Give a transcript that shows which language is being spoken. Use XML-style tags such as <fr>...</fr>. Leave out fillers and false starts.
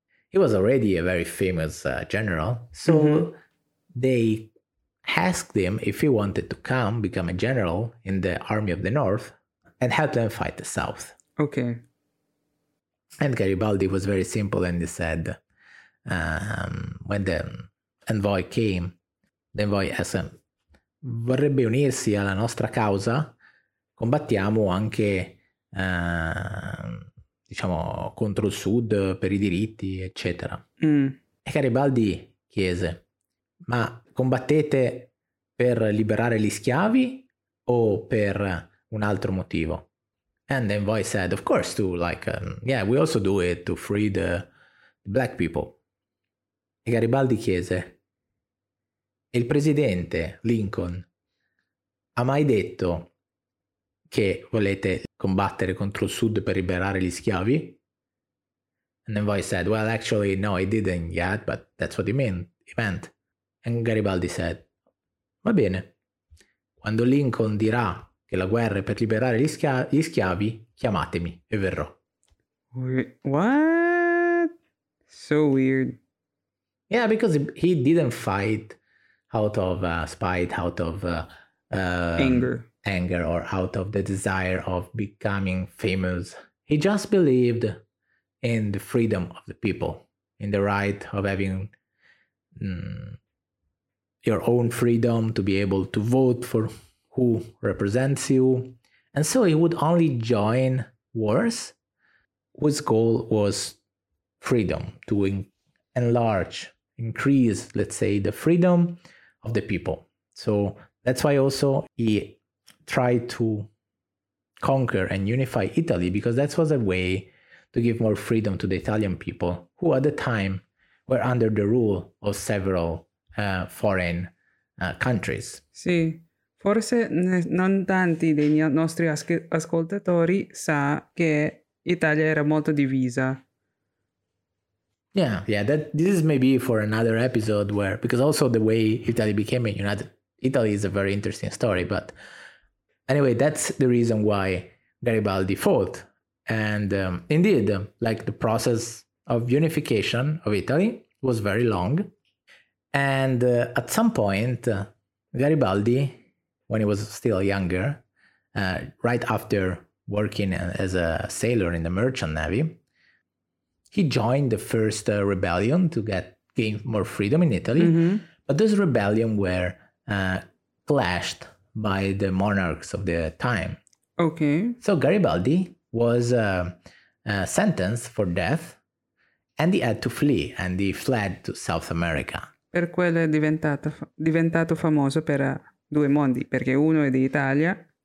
<en>He was already a very famous general. So they asked him if he wanted to come become a general in the Army of the North and help them fight the South. Okay. And Garibaldi was very simple and he said, when the envoy came, the envoy asked him,</en> <it>vorrebbe unirsi alla nostra causa? Combattiamo anche, diciamo, contro il sud, per i diritti, eccetera. Mm. E Garibaldi chiese, ma combattete per liberare gli schiavi o per un altro motivo?</it> <en>And the envoy said, of course, to like, yeah, we also do it to free the black people.</en> <it>E Garibaldi chiese, e il presidente Lincoln ha mai detto che volete combattere contro il sud per liberare gli schiavi?</it> <en>And the envoy said, well, actually, no, he didn't yet, but that's what he meant. And Garibaldi said,</en> <it>va bene, quando Lincoln dirà che la guerra è per liberare gli schiavi, chiamatemi e verrò.</it> <en>What? So weird. Yeah, because he didn't fight out of spite, out of anger, or out of the desire of becoming famous. He just believed in the freedom of the people, in the right of having your own freedom to be able to vote for who represents you. And so he would only join wars whose goal was freedom, to increase, let's say, the freedom of the people. So that's why also he tried to conquer and unify Italy, because that was a way to give more freedom to the Italian people, who at the time were under the rule of several foreign countries.</en> <it>Sì, forse non tanti dei nostri ascoltatori sa che Italia era molto divisa.</it> <en>Yeah, that this is maybe for another episode, where, because also the way Italy became a United Italy is a very interesting story. But anyway, that's the reason why Garibaldi fought. And indeed, like, the process of unification of Italy was very long. And at some point, Garibaldi, when he was still younger, right after working as a sailor in the merchant navy, he joined the first rebellion to gain more freedom in Italy. Mm-hmm. But those rebellions were clashed by the monarchs of the time. Okay. So Garibaldi was sentenced for death, and he had to flee, and he fled to South America.</en> <it>Per quello è diventato famoso per due mondi, perché uno è di Italia,</it>